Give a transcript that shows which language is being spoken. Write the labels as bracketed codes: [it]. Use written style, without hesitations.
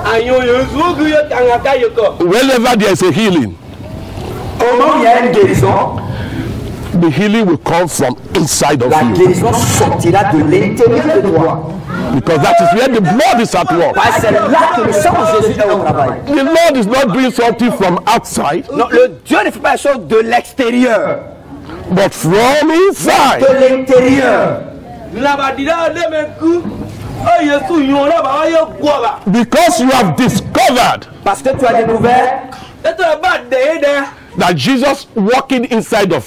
[en] Wherever there is a healing, the healing will come from inside of la you. [fr] La guérison sortira de l'intérieur de toi. [en] Because that is where the blood is at work. [fr] Parce que là que le sang de Jésus est au travail. [en] The Lord is not doing something from outside. [fr] Non, le Dieu ne fait pas chose de l'extérieur. [en] But from inside. [fr] De l'intérieur. [en] Because you have discovered, [fr] parce que tu as découvert, [en] that Jesus walking inside of